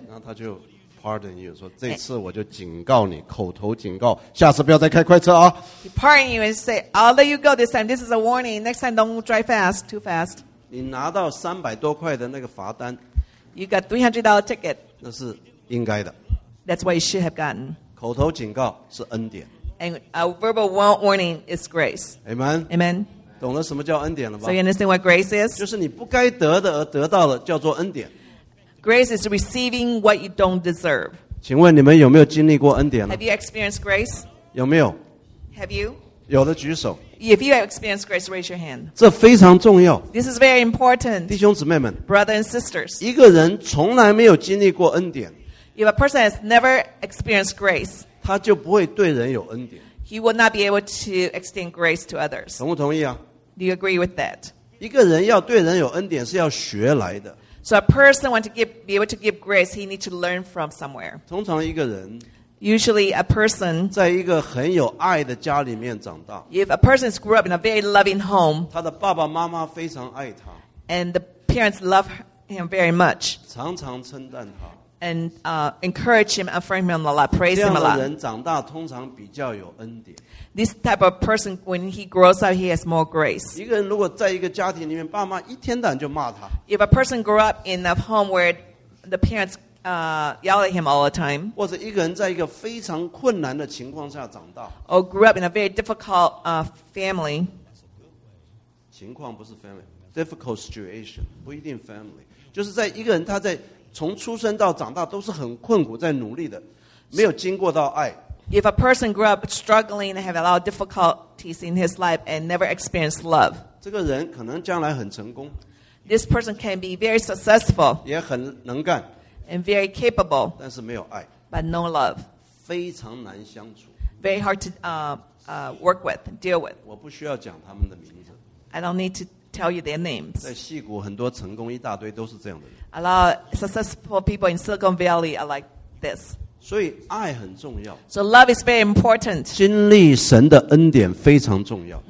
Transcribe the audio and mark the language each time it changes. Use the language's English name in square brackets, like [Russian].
[Chinese] 然后他就 [English] pardon you, [Chinese] 说这次我就警告你，口头警告，下次不要再开快车啊。 [English] He pardoned you and say, I'll let you go this time. This is a warning. Next time, don't drive fast, too fast. [Chinese] 你拿到300多块的那个罚单。 [English] You got $300 ticket. [Chinese] 那是应该的。 [English] That's what you should have gotten. [Chinese] 口头警告是恩典。 [English] And a verbal warning is grace. Amen. Amen. [Chinese] 懂了什么叫恩典了吧？ [English] So you understand what grace is? [Chinese] 就是你不该得的而得到了，叫做恩典。 [English] Grace is receiving what you don't deserve. [Chinese] 请问你们有没有经历过恩典呢？ [English] Have you experienced grace? [Chinese] 有没有？ [English] Have you? [Chinese] 有的举手。 [English] If you have experienced grace, raise your hand. [Chinese] 这非常重要。 [English] This is very important. [Chinese] 弟兄姊妹们。 [English] Brothers and sisters. [Chinese] 一个人从来没有经历过恩典。 [English] If a person has never experienced grace, [Chinese] 他就不会对人有恩典。 [English] He will not be able to extend grace to others. [Chinese] 同不同意啊？ [English] Do you agree with that? [Chinese] 一个人要对人有恩典是要学来的。 [English] So a person want to be able to give grace, he needs to learn from somewhere. [Chinese] 通常一个人 [English] Usually a person, [Chinese] 在一个很有爱的家里面长大, [English] if a person grew up in a very loving home, [Chinese] 他的爸爸妈妈非常爱他, [English] and the parents love him very much, [Chinese] 常常称赞他, [English] and encourage him, affirm him a lot, praise him a lot. [Chinese] 这样的人长大通常比较有恩典。 [English] This type of person, when he grows up, he has more grace. [Chinese] 一个人如果在一个家庭里面，爸妈一天到晚就骂他。 [English] If a person grew up in a home where the parents yell at him all the time, [Chinese] 或者一个人在一个非常困难的情况下长大。 [English] Or grew up in a very difficult family. [Chinese] 情况不是 family, [English] difficult situation, [Chinese] 不一定 family. 就是在一个人他在从出生到长大都是很困苦在努力的，没有经过到爱。 [English] If a person grew up struggling and have a lot of difficulties in his life and never experienced love, [Chinese] 这个人可能将来很成功。 [English] This person can be very successful, [Chinese] 也很能干。 [English] And very capable, [Chinese] 但是没有爱。 [English] But no love, [Chinese] 非常难相处。 [English] Very hard to work with, deal with. [Chinese] 我不需要讲他们的名字。 [English] I don't need to tell you their names. [Chinese] 在矽谷很多成功一大堆都是这样的人。 [English] A lot of successful people in Silicon Valley are like this. [Chinese] 所以爱很重要。 [English] So love is very important. [Chinese] 经历神的恩典非常重要。